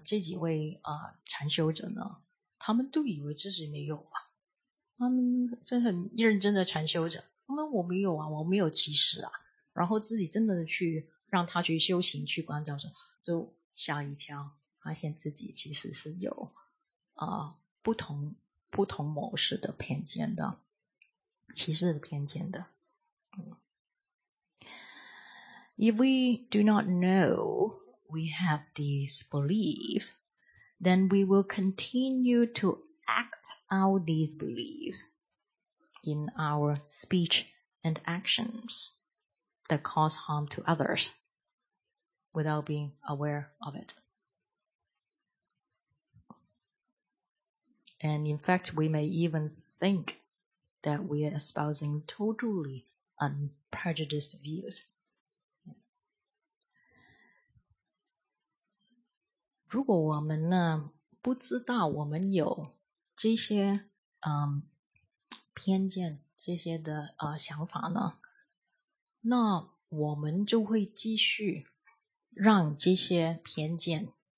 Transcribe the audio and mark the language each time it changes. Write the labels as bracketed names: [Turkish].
[Chinese] 这几位禅修者呢，他们都以为自己没有啊，他们真的很认真的禅修者，他们我没有啊，我没有歧视啊，然后自己真的去让他去修行去观照者，就吓一跳，发现自己其实是有不同模式的偏见的，歧视的偏见的。 [English] If we do not know we have these beliefs, then we will continue to act out these beliefs in our speech and actions that cause harm to others without being aware of it. And in fact, we may even think that we are espousing totally unprejudiced views. [Chinese] 如果我们呢不知道我们有这些偏见这些的想法呢，那我们就会继续让这些偏见